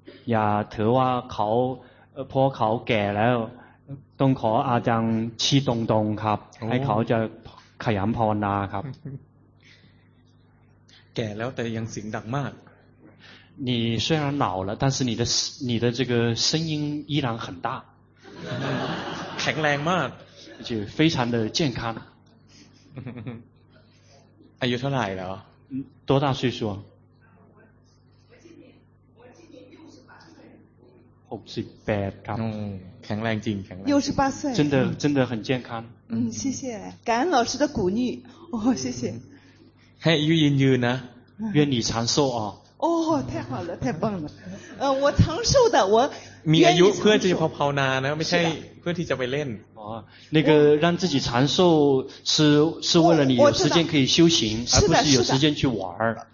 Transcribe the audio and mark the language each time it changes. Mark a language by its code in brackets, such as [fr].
[th] อย่าถือว่าเขาเพราะเขาแก่แล้วต้องขออาจารย์ชี้ตรงๆครับให้เขาจะขยันภาวนาครับ แก่แล้วแต่ยังเสียงดังมาก [zh] 你虽然老了，但是你的这个声音依然很大， [th] แข็งแรงมาก， [zh] 就非常的健康。 [th] อายุเท่าไหร่แล้ว？ [zh] 多大岁数？ [th] 68ครับ。嗯， แข็งแรงจริง，แข็งแรง。 [zh] 68岁。真的很健康。嗯，谢谢，感恩老师的鼓励。哦，谢谢。 [th] ให้อายุยืนนะ， [zh] 愿你长寿啊。哦、oh, ，太好了，太棒了，我长寿的，我 [th] มีอายุเพื่อจะภาวนานะไม่ใช่เพื่อที่จะไปเล่น [zh] อ๋อ那个让自己长寿是为了你有时间可以修行而不是有时间去玩